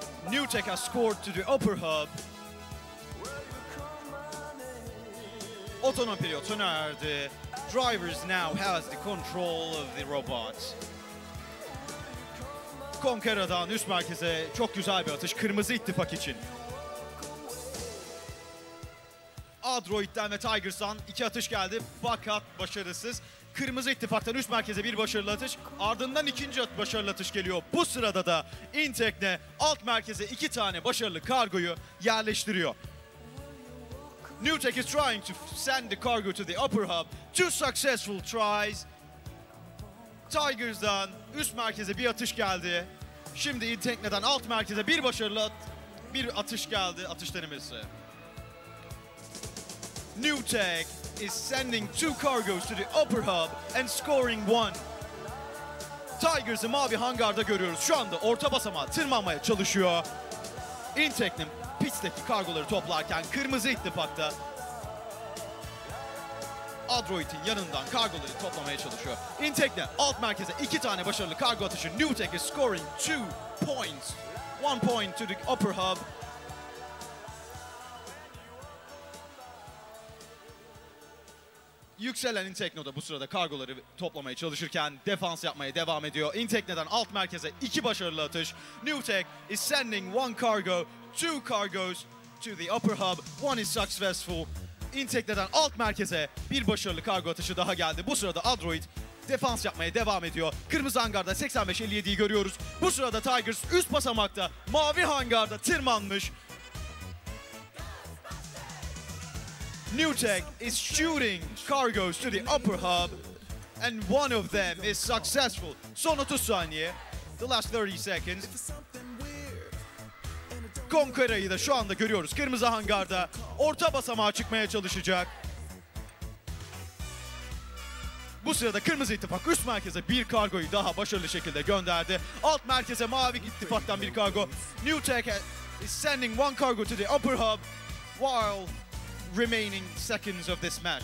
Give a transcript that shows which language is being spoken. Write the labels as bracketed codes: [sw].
[en] New Tech has scored to the upper hub. [tr] Otonom periyot sona erdi. [en] Drivers now has the control of the robot. [tr] Conqueror'dan üst merkeze çok güzel bir atış kırmızı ittifak için. Adroid'den ve Tigers'dan iki atış geldi fakat başarısız. Kırmızı ittifaktan üst merkeze bir başarılı atış. Ardından ikinci başarılı atış geliyor. Bu sırada da Intekne alt merkeze iki tane başarılı kargoyu yerleştiriyor. [en] New Tech is trying to send the cargo to the upper hub. Two successful tries. [tr] Tigers'dan üst merkeze bir atış geldi. Şimdi Intekne'den alt merkeze bir başarılı bir atış geldi atış denemesi. [en] New Tech is sending two cargos to the upper hub and scoring one. [tr] Tigers'ı mavi hangarda görüyoruz. Şu anda orta basamağa tırmanmaya çalışıyor. Intekne pistteki kargoları toplarken kırmızı ittifakta Adroid'in yanından kargoları toplamaya çalışıyor. Intekne alt merkeze iki tane başarılı kargo atışı. [en] New Tech is scoring two points. One point to the upper hub. [tr] Yükselen Intekne da bu sırada kargoları toplamaya çalışırken defans yapmaya devam ediyor. Intekne'den alt merkeze iki başarılı atış. [en] New Tech is sending one cargo, two cargos to the upper hub. One is successful. [tr] Intekne'den alt merkeze bir başarılı kargo atışı daha geldi. Bu sırada Adroid defans yapmaya devam ediyor. Kırmızı hangarda 85-57'yi görüyoruz. Bu sırada Tigers üst basamakta mavi hangarda tırmanmış. [en] New Tech is shooting cargos to the upper hub and one of them is successful. [tr] Son 30 saniye, [en] the last 30 seconds. [tr] Conqueror'ı da şu anda görüyoruz. Kırmızı hangarda orta basamağa çıkmaya çalışacak. Bu sırada kırmızı ittifak üst merkeze bir kargoyu daha başarılı şekilde gönderdi. Alt merkeze mavi ittifaktan bir kargo. [en] New Tech is sending one cargo to the upper hub while remaining seconds of this match.